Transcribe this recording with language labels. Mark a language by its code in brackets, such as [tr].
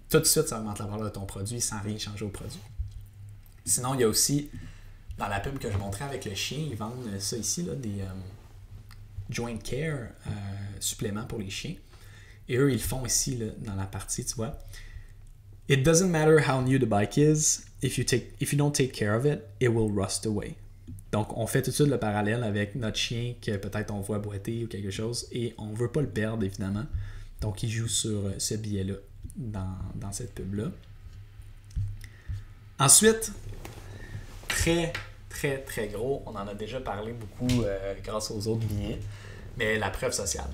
[fr] Tout de suite, ça augmente la valeur de ton produit sans rien changer au produit. Sinon, il y a aussi dans la pub que je montrais avec le chien, ils vendent ça ici, là, des joint care suppléments pour les chiens. Et eux, ils font ici là, dans la partie, tu vois. [en] It doesn't matter how new the bike is, if you don't take care of it, it will rust away. [fr] Donc, on fait tout de suite le parallèle avec notre chien que peut-être on voit boiter ou quelque chose et on ne veut pas le perdre, évidemment. Donc, il joue sur ce biais-là dans cette pub-là. Ensuite, très, très, très gros, on en a déjà parlé beaucoup grâce aux autres biais, mais la preuve sociale.